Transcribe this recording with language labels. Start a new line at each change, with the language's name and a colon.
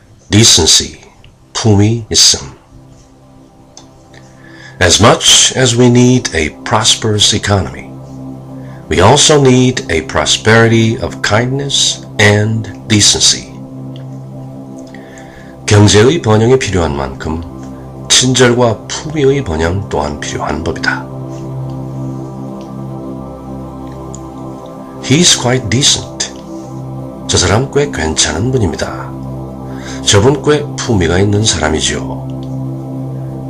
Korean: Decency, 품위 있음.
English: As much as we need a prosperous economy, we also need a prosperity of kindness and decency.
Korean: 경제의 번영이 필요한 만큼 친절과 품위의 번영 또한 필요한 법이다.
English: He's quite decent.
Korean: 저 사람 꽤 괜찮은 분입니다. 저분 꽤 품위가 있는 사람이지요.